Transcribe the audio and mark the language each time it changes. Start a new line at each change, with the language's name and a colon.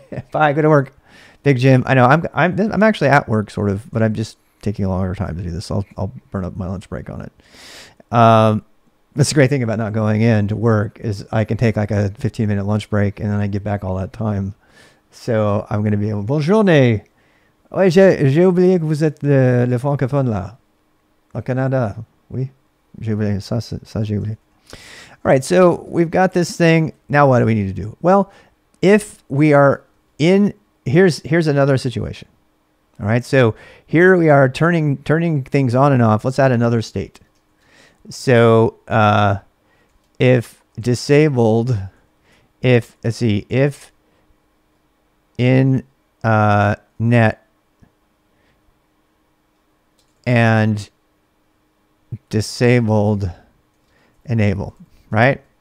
English: Bye. Good work, Big Jim. I know I'm actually at work sort of, but I'm just taking a longer time to do this. I'll burn up my lunch break on it. That's the great thing about not going in to work is I can take like a 15-minute lunch break and then I get back all that time. So I'm going to be able,
French: bonjour, oui, j'ai oublié que vous êtes le francophone là, au Canada. Oui, j'ai oublié, ça j'ai oublié.
English: All right, so we've got this thing. Now what do we need to do? Well, if we are in, here's another situation. All right, so here we are turning things on and off. Let's add another state. So if disabled, if in net and disabled enable, right?